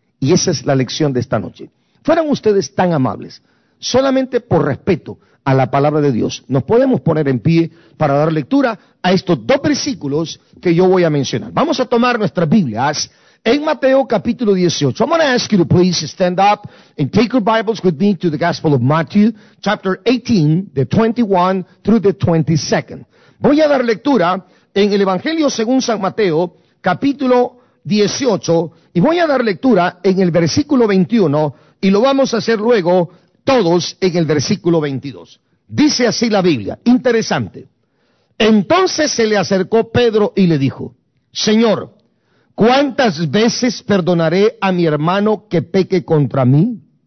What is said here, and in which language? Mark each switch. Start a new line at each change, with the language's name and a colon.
Spanish: Y esa es la lección de esta noche. Fueran ustedes tan amables, solamente por respeto a la palabra de Dios, nos podemos poner en pie para dar lectura a estos dos versículos que yo voy a mencionar. Vamos a tomar nuestras Biblias en Mateo capítulo 18.
English: I'm going to ask you to please stand up and take your Bibles with me to the Gospel of Matthew, chapter 18, the 21 through the 22nd.
Spanish: Voy a dar lectura en el Evangelio según San Mateo, capítulo 18, y voy a dar lectura en el versículo 21, y lo vamos a hacer luego todos en el versículo 22. Dice así la Biblia, interesante. Entonces se le acercó Pedro y le dijo: Señor, ¿cuántas veces perdonaré a mi hermano que peque contra mí?